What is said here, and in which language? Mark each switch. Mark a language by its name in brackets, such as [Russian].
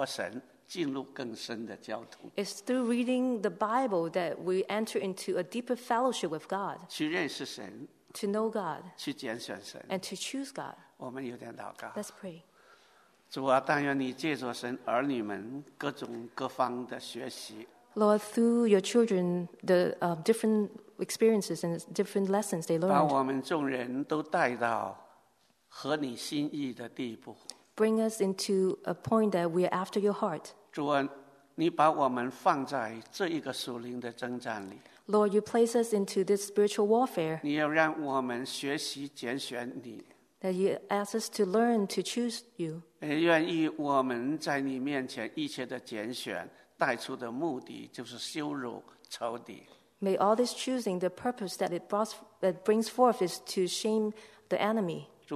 [Chinese] 我们要透过读经来和神进入更深的交通。 [English] It's through reading the Bible that we enter into a deeper fellowship with God. [Chinese] 去认识神, [English] to know God. [Chinese] 去拣选神, [English] and to choose God. [Chinese] 我们有点祷告。 [English] Let's pray. [Chinese] 主啊, 但愿你借着神儿女们各种各方的学习, [English] Lord, through your children, the different experiences and different lessons they learned. Bring us into a point that we are after your heart. [Chinese] 主啊,你把我们放在这一个属灵的征战里。 [English] Lord, you place us into this spiritual warfare. [Chinese] 你要让我们学习拣选你。 [English] That you ask us to learn to choose you. [Chinese] 愿意我们在你面前一切的拣选, 带出的目的就是羞辱仇敌。 [English] May all this choosing, the purpose that it brought, that brings forth is to shame the enemy.